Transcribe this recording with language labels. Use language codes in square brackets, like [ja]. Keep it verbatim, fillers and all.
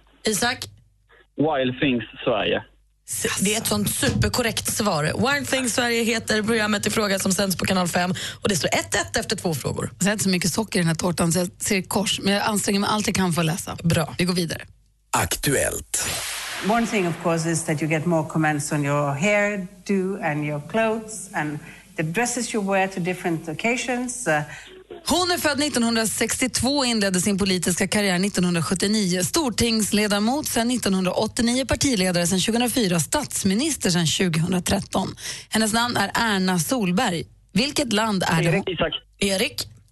[sv] Isak? Wild Things Sverige. Det är ett sånt superkorrekt svar. Wild Things Sverige heter programmet i fråga som sänds på Kanal fem. Och det står ett ett efter två frågor. Jag har inte så mycket socker i den här tårtan så jag ser kors. Men jag anstränger mig allt jag kan för att läsa. Bra. Vi går vidare. Aktuellt. [en] One thing of course is that you get more comments on your hair, do and your clothes and the dresses you wear to different occasions. Uh... [sv] Hon är född nittonhundrasextiotvå och inledde sin politiska karriär nittonhundrasjuttionio. Stortingsledamot sedan nittonhundraåttionio, partiledare sedan tjugohundrafyra, statsminister sedan tjugohundratretton. Hennes namn är Erna Solberg. Vilket land är Erik, det? Isak. Erik?